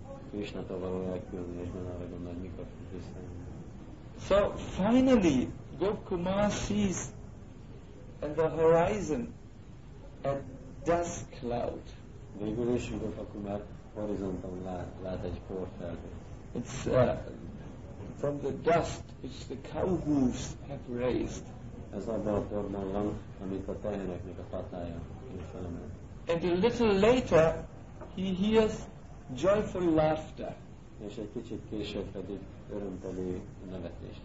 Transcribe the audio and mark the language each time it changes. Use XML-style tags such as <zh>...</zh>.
<hu>Krishnától való elkülönülésben arra gondolj, mikor fog visszajönni.</hu> <en>So finally Gopa Kumar sees in the horizon a dust cloud.</en> <hu>Végül is Gopa Kumar horizonton lát egy porfelhőt.</hu> <en>It's from the dust which the cow hooves have raised.</en> <hu>Ez abban a porban van, amit a tehereknek a patája felemel.</hu> <en>And a little later he hears joyful laughter.</en> <hu>És egy kicsit később pedig örömteli nevetést</hu>